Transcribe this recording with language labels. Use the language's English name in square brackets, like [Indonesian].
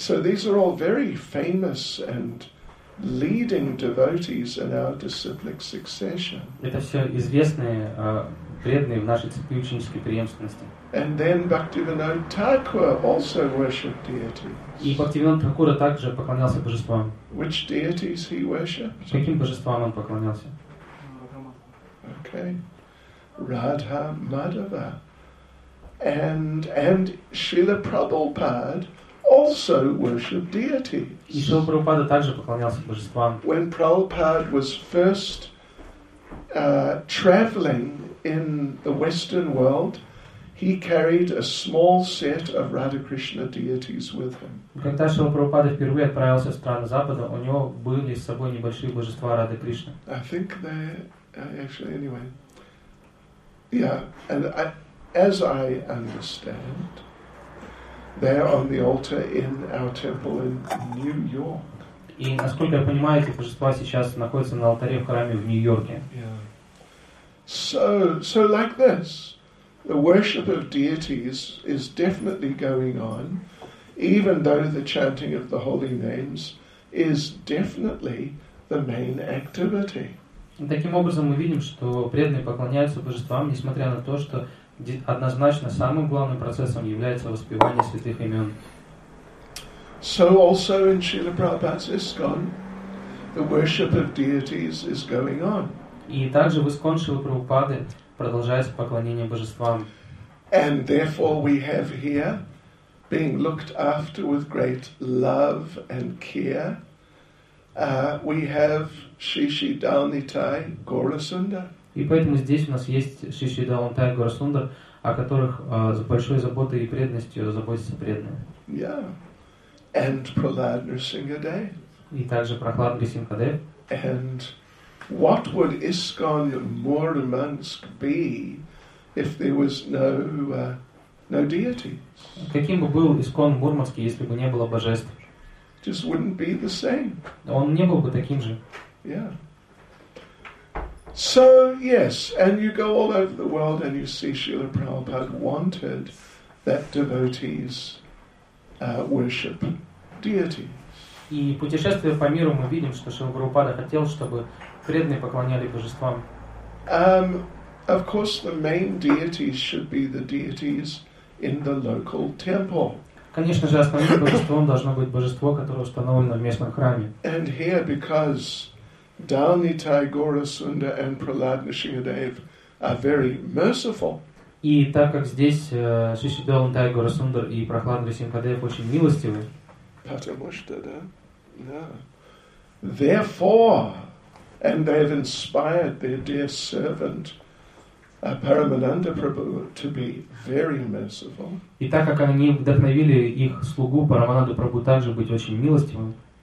[English] So these are all very famous and leading devotees in our disciplic succession. [Russian] Это все известные преданные в нашей цепи ученической преемственности. [English] And then Bhaktivinoda Thakura also worshipped deities. [Russian] И Бхактивинода Тхакура также поклонялся божествам. [English] Which deities he worshipped? [Russian] Каким божествам он поклонялся? [English] Okay. Radha Madhava. And Srila Prabhupada also worshipped deities. [Russian] И Srila Prabhupada также поклонялся божествам. [English] When Prabhupada was first traveling in the Western world, he carried a small set of Radha Krishna deities with him. [Russian] Когда Шрила Прабхупада впервые отправился в страны Запада, у него были с собой небольшие божества Радха Кришны. [English] I think they actually anyway. Yeah, and as I understand, they're on the altar in our temple in New York. [Russian] И насколько я понимаю, эти божества сейчас находятся на алтаре в храме в Нью-Йорке. [English] So like this. The worship of deities is definitely going on, even though the chanting of the holy names is definitely the main activity. [Russian] Таким образом, мы видим, что преданные поклоняются божествам, несмотря на то, что однозначно самым главным процессом является воспевание святых имен. [English] So also in Srila Prabhupada's ISKCON, the worship of deities is going on. [Russian] И также в ISKCON Шрилы Прабхупады продолжается поклонение божествам. [English] And therefore we have here being looked after with great love and care. We have Shishi Dalnitai Gaurasundar. [Russian] И поэтому здесь у нас есть Shishi Dalnitai Gaurasundar, о которых с большой заботой и преданностью заботятся преданные. [English] Yeah. And Prahlad Nrsimhadev. [Russian] И также Прохлад Нрсимхадев. [English] And what would ISKCON Murmansk be if there was no deities? [Russian] Каким бы был ИСКОН Мурманск, если бы не было божеств? [English] Just wouldn't be the same. [Russian] Он не был бы таким же. [English] Yeah. So yes, and you go all over the world and you see Srila Prabhupada wanted that devotees worship deities. [Russian] И путешествуя по миру, мы видим, что Шрила Прабхупада хотел, чтобы преданные поклонялись божествам. [English] Of course, the main deities should be the deities in the local temple. [Russian] Конечно же, основным божеством должно быть божество, которое установлено в местном храме. [English] And here, because Dalnitai Gaurasunda and Prahlad Nrsimhadev are very merciful. [Russian] И так как здесь Шри Далнитай Гаурасундар и Прахлад Нрсимхадев очень милостивы. Потому что, да? Да. [English] Therefore, and they have inspired their dear servant, Paramananda Prabhu, to be very merciful. [Russian] И так как они вдохновили их слугу Парамананду Прабху также быть очень милостивым.